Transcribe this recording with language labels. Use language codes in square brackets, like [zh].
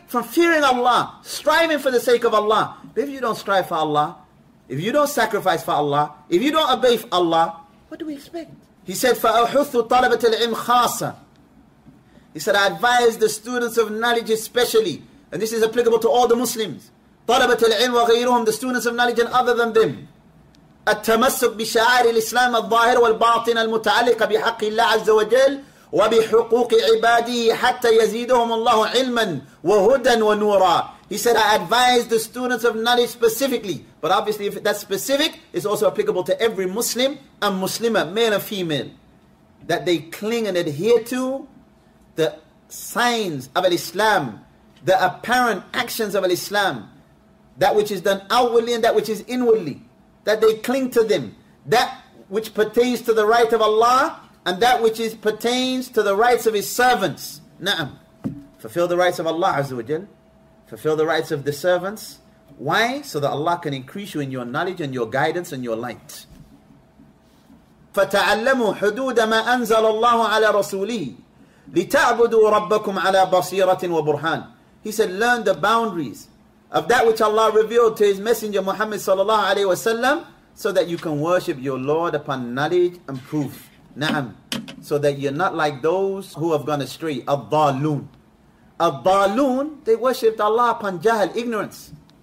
[en] From fearing Allah, striving for the sake of Allah. But if you don't strive for Allah, if you don't sacrifice for Allah, if you don't obey for Allah, what do we expect? He said, [ar] فَأَحُثُّ طَلَبَةَ الْعِمْ خَاسًا [en] He said, I advise the students of knowledge especially, and this is applicable to all the Muslims, [ar] طَلَبَةَ الْعِمْ وَغَيْرُهُمْ [en] The students of knowledge and other than them. [ar] التمسك بشعائر الإسلام الظاهر والباطن المتعلقة بحق الله عز وجل وبحقوق عباده حتى يزيدهم الله علما وهدى ونورا [en] He said, I advise the students of knowledge specifically. But obviously if that's specific, it's also applicable to every Muslim and Muslima, male and female. That they cling and adhere to the signs of Islam, the apparent actions of Islam, that which is done outwardly and that which is inwardly. That they cling to them. That which pertains to the right of Allah and that which is pertains to the rights of His servants. Na'am. Fulfill the rights of Allah Azza wa Jal. Fulfill the rights of the servants. Why? So that Allah can increase you in your knowledge and your guidance and your light. [ar] فَتَعَلَّمُوا حُدُودَ مَا أَنزَلَ اللَّهُ عَلَى رَسُولِهِ لِتَعْبُدُوا رَبَّكُمْ عَلَى بَصِيرَةٍ وَبُرْهَانٍ [en] He said, learn the boundaries. Of that which Allah revealed to His Messenger Muhammad sallallahu alayhi wa sallam, so that you can worship your Lord upon knowledge and proof. Na'am. So that you're not like those who have gone astray. Al-Dalun. Al-Dalun, they worshipped Allah upon jahl, ignorance.